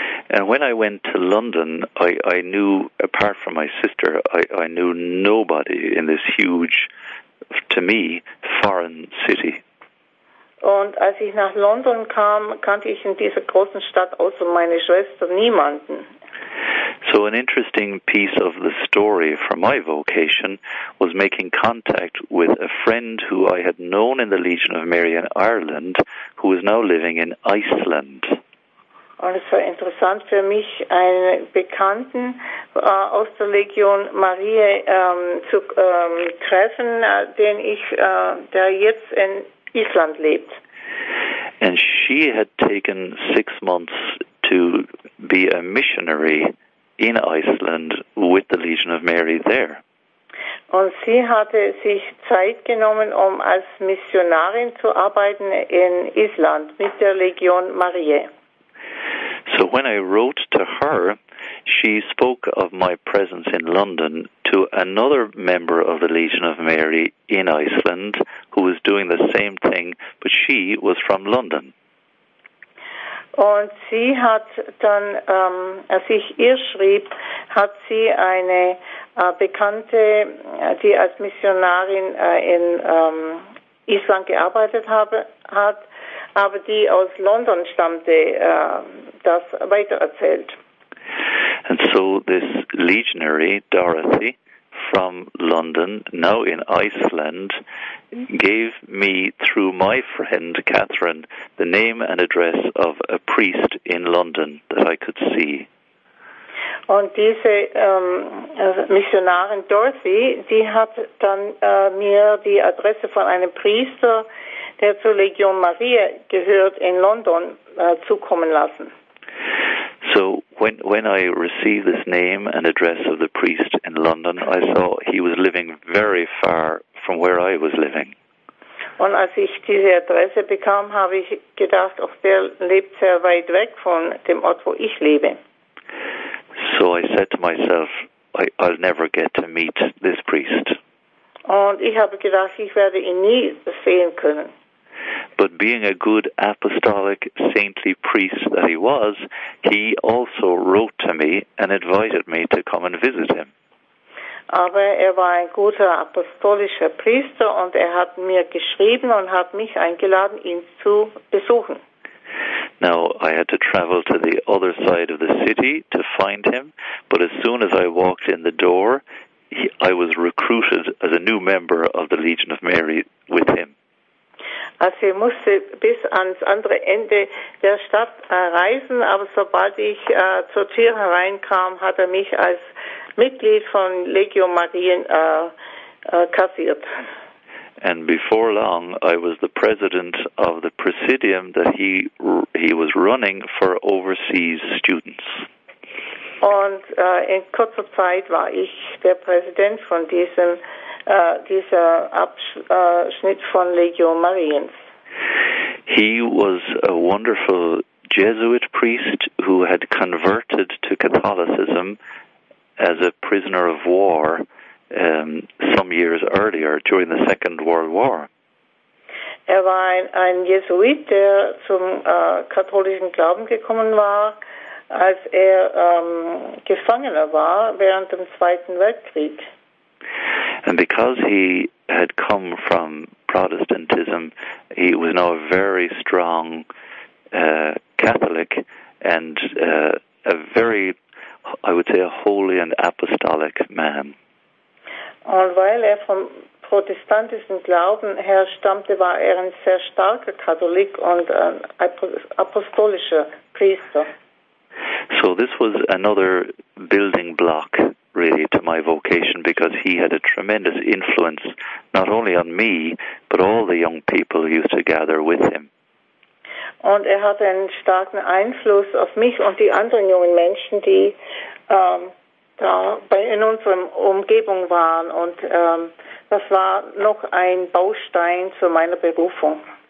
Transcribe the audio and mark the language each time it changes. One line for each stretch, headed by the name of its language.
English: And when I went to London, I knew, apart from my sister, I knew nobody in this huge, to me, foreign city.
German: Und als ich nach London kam, kannte ich in dieser großen Stadt außer meiner Schwester niemanden.
English: So an interesting piece of the story for my vocation was making contact with a friend who I had known in the Legion of Mary in Ireland, who is now living in Iceland.
German: Und es war interessant für mich, einen Bekannten aus der Legion Maria zu treffen, der jetzt in Island lebt.
English: And she had taken 6 months to be a missionary in Iceland with the Legion of Mary there.
German: Und sie hatte sich Zeit genommen, um als Missionarin zu arbeiten in Island mit der Legion Maria.
English: So when I wrote to her, she spoke of my presence in London to another member of the Legion of Mary in Iceland who was doing the same thing, but she was from London.
German: Und sie hat dann, als ich ihr schrieb, hat sie eine Bekannte, die als Missionarin in Island gearbeitet hat, aber die aus London stammte, das weitererzählt.
English: And so this legionary, Dorothy, from London, now in Iceland, gave me, through my friend Catherine, the name and address of a priest in London that I could see.
German: Und diese Missionarin Dorothy, die hat dann mir die Adresse von einem Priester, der zur Legion Maria gehört, in London zukommen lassen.
English: So when I received this name and address of the priest in London, I saw he was living very far from where I was living.
German: Und als ich diese Adresse bekam, habe ich gedacht, auch der lebt sehr weit weg von dem Ort, wo ich lebe.
English: So I said to myself, I'll never get to meet this priest.
German: Und ich habe gedacht, ich werde ihn nie sehen können.
English: But being a good apostolic saintly priest that he was, he also wrote to me and invited me to come and visit him.
German: Aber er war ein guter apostolischer Priester und er hat mir geschrieben und hat mich eingeladen, ihn zu besuchen.
English: Now, I had to travel to the other side of the city to find him, but as soon as I walked in the door, I was recruited as a new member of the Legion of Mary with him.
German: Also ich musste bis ans andere Ende der Stadt reisen, aber sobald ich zur Tür hereinkam, hat mich als Mitglied von Legion Maria kassiert.
English: And before long, I was the president of the presidium that he was running for overseas students.
German: Und in kurzer Zeit war ich der Präsident von dieser Abschnitt von Legion Mariens.
English: He was a wonderful Jesuit priest who had converted to Catholicism as a prisoner of war some years earlier during the Second World War.
German: Er war ein Jesuit, der zum katholischen Glauben gekommen war, als er Gefangener war während dem Zweiten Weltkrieg.
English: And because he had come from Protestantism, he was now a very strong Catholic and a very, I would say, a holy and apostolic man.
German: Und weil er vom protestantischen Glauben herstammte, war er ein sehr starker Katholik und ein apostolischer Priester.
English: So this was another building block, really, to my vocation, because he had a tremendous influence, not only on me, but all the young people who used to gather with him.
German: Und er hatte einen starken Einfluss auf mich und die anderen jungen Menschen, die da in unserer Umgebung waren. Und das war noch ein Baustein zu meiner Berufung.